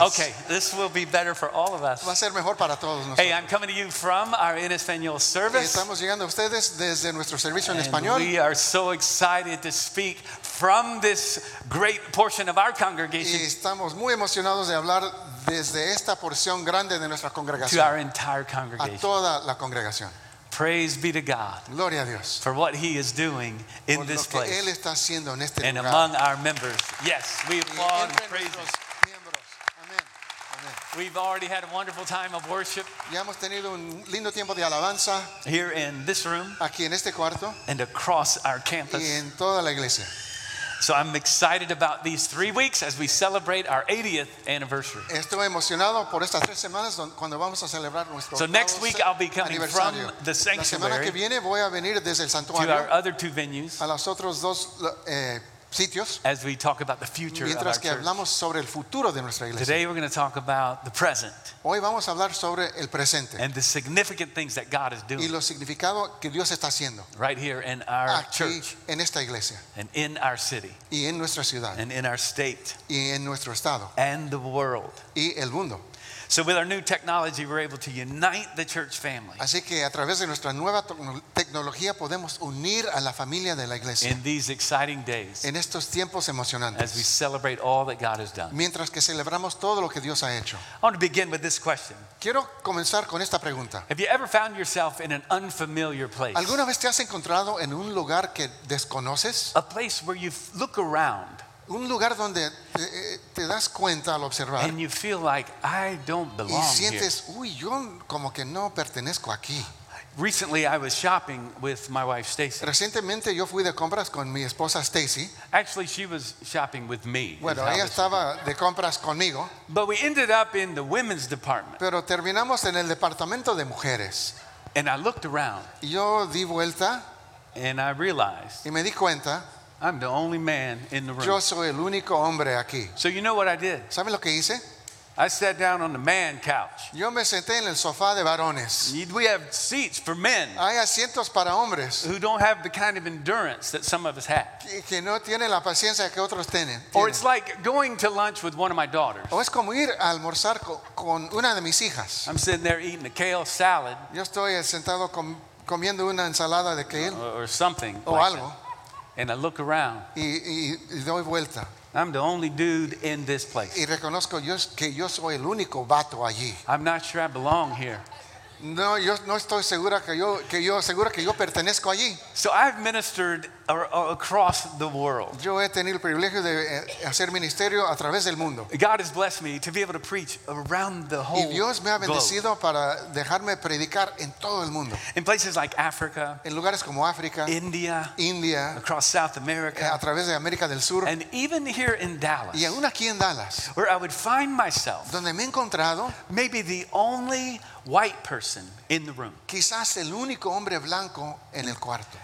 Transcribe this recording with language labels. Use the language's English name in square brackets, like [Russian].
[English] Okay, this will be better for all of us. [Spanish] Va a ser mejor para todos nosotros. [English] Hey, I'm coming to you from our En Español service. [Spanish] Estamos llegando a ustedes desde nuestro servicio en español. [English] We are so excited to speak from this great portion of our congregation. [Spanish] Y estamos muy emocionados de hablar desde esta porción grande de nuestra congregación. [English] To our entire congregation. [Spanish] A toda la congregación. [English] Praise be to God. [Spanish] Gloria a Dios. [English] For what he is doing in [Spanish] por [English] this place. [Spanish] Él está haciendo en este [English] and [Spanish] lugar. [English] Among our members. Yes, we applaud and praise him. [Spanish] Miembros. Amen. Amen. [English] We've already had a wonderful time of worship. [Spanish] Ya hemos tenido un lindo tiempo de alabanza. [English] Here in this room. [Spanish] Aquí en este cuarto. [English] And across our campus. [Spanish] Y en toda la iglesia. [English] So I'm excited about these 3 weeks as we celebrate our 80th anniversary. [Spanish] Estoy emocionado por estas tres semanas cuando vamos a celebrar nuestro. [English] So next week I'll be coming from the sanctuary. [Spanish] La semana que viene voy a venir desde el santuario. [English] To our other two venues. [Spanish] A los otros dos sitios. [English] As we talk about the future. [Spanish] Mientras que hablamos sobre el futuro de nuestra iglesia. [English] Today we're going to talk about the present. [Spanish] Hoy vamos a hablar sobre el presente. [English] And the significant things that God is doing. [Spanish] Y lo significado que Dios está haciendo. [English] Right here in our [Spanish] aquí, [English] church. [Spanish] En esta iglesia. [English] And in our city. [Spanish] Y en nuestra ciudad. [English] And in our state. [Spanish] Y en nuestro estado. [English] And the world. [Spanish] Y el mundo. [English] So with our new technology, we're able to unite the church family. [Spanish] Así que a través de nuestra nueva tecnología podemos unir a la familia de la iglesia. [English] In these exciting days. [Spanish] En estos tiempos emocionantes. [English] As we celebrate all that God has done. [Spanish] Mientras que celebramos todo lo que Dios ha hecho. [English] I want to begin with this question. [Spanish] Quiero comenzar con esta pregunta. [English] Have you ever found yourself in an unfamiliar place? [Spanish] ¿Alguna vez te has encontrado en un lugar que desconoces? [English] A place where you look around. [Spanish] Un lugar donde te das cuenta al observar. [English] And you feel like I don't belong here. [Spanish] Y sientes, [English] here. [Spanish] Uy, yo como que no pertenezco aquí. [English] Recently, I was shopping with my wife Stacy. [Spanish] Recientemente, yo fui de compras con mi esposa Stacy. [English] Actually, she was shopping with me. [Spanish] Bueno, ella estaba de compras conmigo. [English] But we ended up in the women's department. [Spanish] Pero terminamos en el departamento de mujeres. [English] And I looked around. [Spanish] Y yo di vuelta. [English] And I realized. [Spanish] Y me di cuenta. [English] I'm the only man in the room. [Spanish] Yo soy el único hombre aquí. [English] So you know what I did? [Spanish] ¿Sabe lo que hice? [English] I sat down on the man couch. [Spanish] Yo me senté en el sofá de varones. [English] We have seats for men. [Spanish] Hay asientos para hombres. [English] Who don't have the kind of endurance that some of us have. [Spanish] Que no tienen la paciencia que otros tienen. [English] Or it's like going to lunch with one of my daughters. [Spanish] O es como ir a almorzar con una de mis hijas. [English] I'm sitting there eating a kale salad. [Spanish] Yo estoy sentado comiendo una ensalada de kale. [English] Or something. [Spanish] O [English] like [Spanish] algo. [English] That. And I look around. [Spanish] Y doy vuelta. [English] I'm the only dude in this place. [Spanish] Y reconozco yo que yo soy el único vato allí. [English] I'm not sure I belong here. [Spanish] No, yo no estoy segura que yo pertenezco allí. [English] So I've ministered across the world. [Spanish] Yo he tenido el privilegio de hacer ministerio a través del mundo. [English] God has blessed me to be able to preach around the whole globe. [Spanish] Y Dios me ha bendecido para dejarme predicar en todo el mundo. [English] In places like Africa. [Spanish] En lugares como África. [English] India. Across South America. [Spanish] A través de América del Sur. [English] And even here in Dallas. [Spanish] Y aún aquí en Dallas. [English] Where I would find myself. [Spanish] Donde me he encontrado. [English] Maybe the only white person in the room. [Spanish] Quizás el único hombre blanco en el cuarto.